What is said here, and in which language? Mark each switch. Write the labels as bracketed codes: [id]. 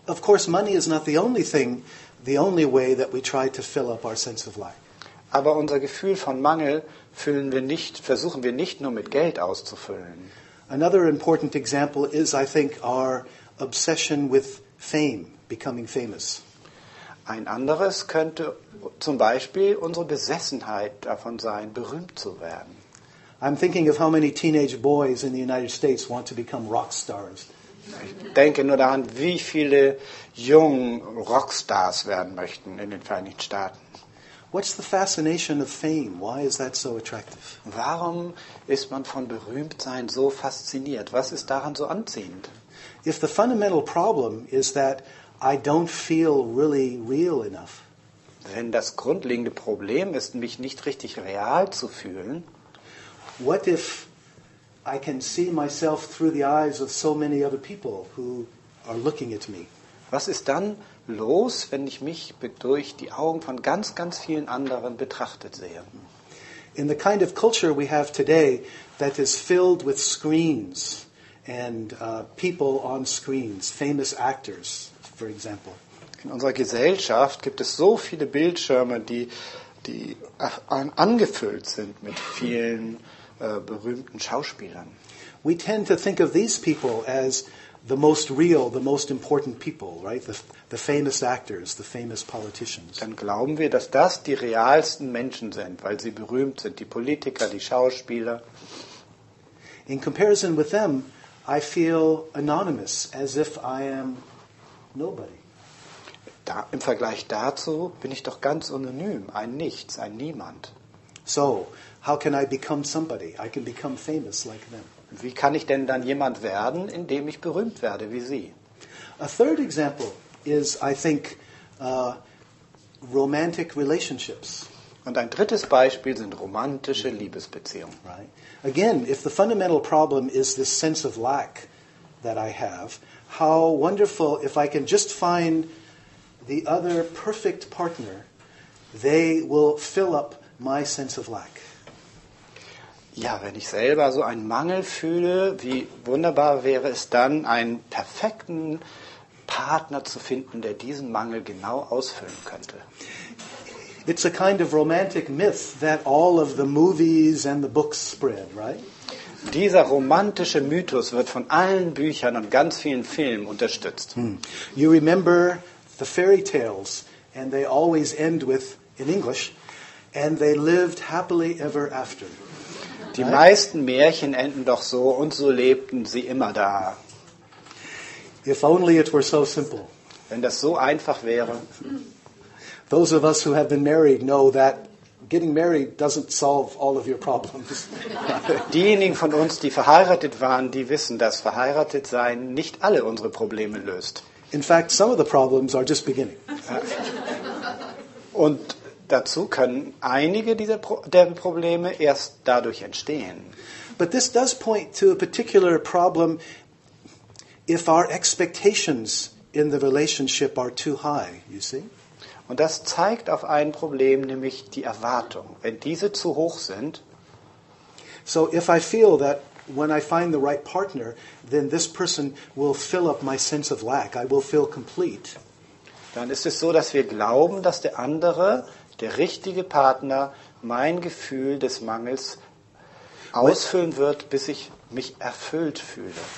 [en] Of course, money is not the only thing, the only way that we try to fill up our sense of life. [de] Aber unser Gefühl von Mangel versuchen wir nicht nur mit Geld auszufüllen. [en] Another important example is, I think, our obsession with fame, becoming famous. [de] Ein anderes könnte zum Beispiel unsere Besessenheit davon sein, berühmt zu werden. [en] I'm thinking of how many teenage boys in the United States want to become rock stars. [de] Ich denke nur daran, wie viele junge Rockstars werden möchten in den Vereinigten Staaten. [en] What's the fascination of fame? Why is that so attractive? [de] Warum ist man von Berühmtsein so fasziniert? Was ist daran so anziehend? [en] If the fundamental problem is that I don't feel really real enough. [de] Wenn das grundlegende Problem ist, mich nicht richtig real zu fühlen. [en] What if I can see myself through the eyes of so many other people who are looking at me? [de] Was ist dann los, wenn ich mich durch die Augen von ganz, ganz vielen anderen betrachtet sehe? [en] In the kind of culture we have today that is filled with screens and people on screens, famous actors, for example. [de] In unserer Gesellschaft gibt es so viele Bildschirme, die angefüllt sind mit vielen berühmten Schauspielern. [en] We tend to think of these people as the most real, the most important people, right? The famous actors, the famous politicians. [de] Dann glauben wir, dass das die realsten Menschen sind, weil sie berühmt sind, die Politiker, die Schauspieler. [en] In comparison with them, I feel anonymous, as if I am nobody. [de] Da, im Vergleich dazu bin ich doch ganz anonym, ein Nichts, ein Niemand. [en] So, how can I become somebody? I can become famous like them. [de] Wie kann ich denn dann jemand werden, indem ich berühmt werde wie sie? [en] A third example is, I think, romantic relationships. [de] Und ein drittes Beispiel sind romantische Liebesbeziehungen. [en] Right. Again, if the fundamental problem is this sense of lack that I have, how wonderful if I can just find the other perfect partner, they will fill up my sense of lack. [de] Ja, wenn ich selber so einen Mangel fühle, wie wunderbar wäre es dann, einen perfekten Partner zu finden, der diesen Mangel genau ausfüllen könnte. [en] It's a kind of romantic myth that all of the movies and the books spread, right? [de] Dieser romantische Mythos wird von allen Büchern und ganz vielen Filmen unterstützt. Hmm. [en] You remember the fairy tales, and they always end with, in English, and they lived happily ever after. [de] Die meisten Märchen enden doch so, und so lebten sie immer da. [en] If only it were so simple. [de] Wenn das so einfach wäre. [en] Those of us who have been married know that getting married doesn't solve all of your problems. [de] Diejenigen von uns, die verheiratet waren, die wissen, dass verheiratet sein nicht alle unsere Probleme löst. [en] In fact, some of the problems are just beginning. [de] Und dazu können einige dieser Probleme erst dadurch entstehen. [en] But this does point to a particular problem if our expectations in the relationship are too high, you see? [de] Und das zeigt auf ein Problem, nämlich die Erwartung. Wenn diese zu hoch sind, [en] so if I feel that when I find the right partner, then this person will fill up my sense of lack. I will feel complete. [de] Dann ist es so, dass wir glauben, dass der andere, der richtige Partner, mein Gefühl des Mangels ausfüllen wird, bis ich mich erfüllt fühle.